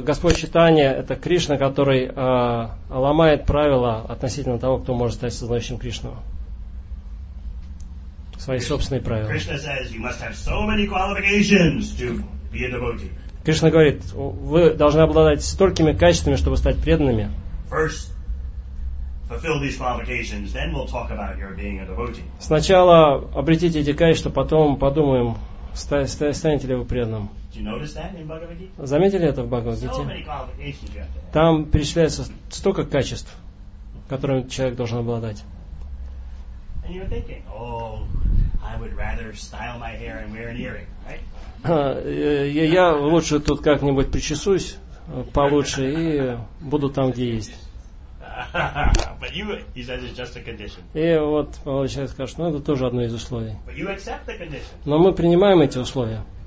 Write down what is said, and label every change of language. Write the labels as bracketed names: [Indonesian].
[Russian] Господь Чайтанья это Кришна, который ломает правила относительно того, кто может стать сознающим Кришну. Свои собственные правила. [English] Krishna says you must have so many qualifications to be a devotee. [Russian] Кришна говорит, вы должны обладать столькими качествами, чтобы стать преданными. [English] First, fulfill these qualifications, then we'll talk about your being a devotee. [Russian] Сначала обретите эти качества, потом подумаем, станете ли вы преданным. Заметили это в Бхагавад-гите? Там перечисляется столько качеств, которыми человек должен обладать. Я лучше тут как-нибудь причесусь получше и буду там, где есть. [English] But you, he says, it's just a condition. [Russian] И вот получается, скажешь, ну это тоже одно из условий. [English] But you accept the condition. [Russian] Но мы принимаем эти условия.